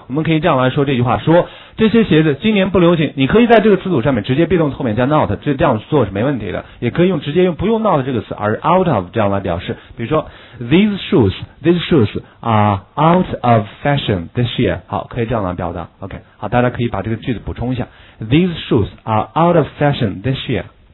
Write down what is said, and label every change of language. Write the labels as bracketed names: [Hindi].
[Chinese] 我们可以这样来说这句话：说这些鞋子今年不流行。你可以在这个词组上面直接 be 动词后面加 not， 这样做是没问题的。也可以用直接用不用 not 这个词，而 out of 这样来表示。比如说。 [English] These shoes are out of fashion this year. [Chinese] 好，可以这样来表达。 OK， 好，大家可以把这个句子补充一下。 [English] These shoes are out of fashion this year.